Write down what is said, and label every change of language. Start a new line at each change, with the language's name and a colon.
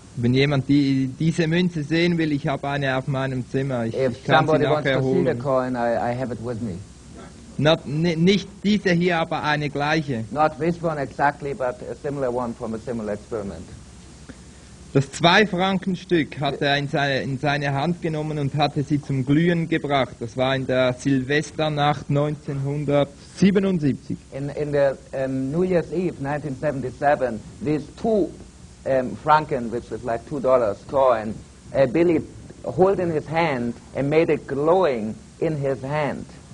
German: Wenn jemand diese Münze sehen will, ich habe eine auf meinem Zimmer.
English: If somebody wants to see the coin, I have it with me.
German: Nicht diese hier, aber eine gleiche.
English: Not this one exactly, but a similar one from a similar experiment.
German: Das 2-Franken-Stück hat er in seine Hand genommen und hatte sie zum Glühen gebracht. Das war in der Silvesternacht 1977.
English: In the New Year's Eve 1977, these 2 Franken, which was like $2 coin, Billy held in his hand and made it glowing in his hand.